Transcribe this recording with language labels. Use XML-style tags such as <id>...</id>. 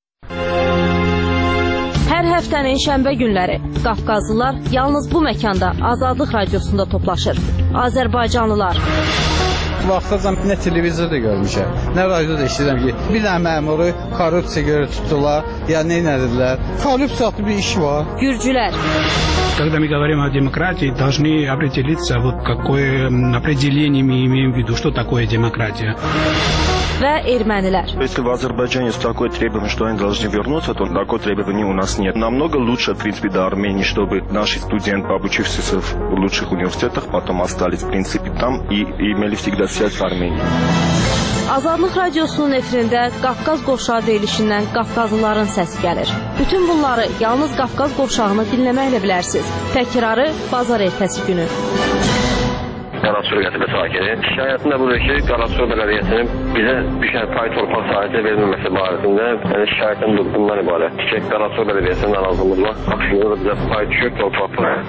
<az>Hər həftənin şənbə günləri Qafqazlılar yalnız bu məkanda Azadlıq radiosunda toplaşır. Azərbaycanlılar. Vaxtacam nə televizorda görmüşəm, nə radioda işləyirəm ki, bir dənə məmuru korrupsiya görə tutdular, ya nə edirlər? Korrupsiya adlı bir iş var. Gürcülər.</az> <ru>Когда мы говорим о демократии, должны определиться, вот какое определение мы имеем в виду, что такое демократия.</ru> <az>Və ermənilər.</az> <ru>Если в Азербайджане есть такое требование, что они должны вернуться, то такое требование у нас нет. Намного лучше, в принципе, до Армении, чтобы наши студенты, обучившиеся в лучших университетах, потом остались, в принципе, там и имели всегда связь с Арменией.</ru> <az>Azadlıq radiosunun efirində Qafqaz qovşağı deyilişindən Qafqazlıların səsi gəlir. Bütün bunları yalnız Qafqaz qovşağını dinləməklə bilərsiniz. Təkrarı bazar ertəsi günü. Qaraçur qəsəbə sakini. Şikayətində budur ki, Qaraçur bələdiyyəsinin bizə düşən pay torpaq sahəsində verilməməsi barəsində yəni şikayətin durduğundan ibarətdir ki, Qaraçur bələdiyyəsinin narazılığına axşamda da bizə pay düşür torpaq pulu.</az>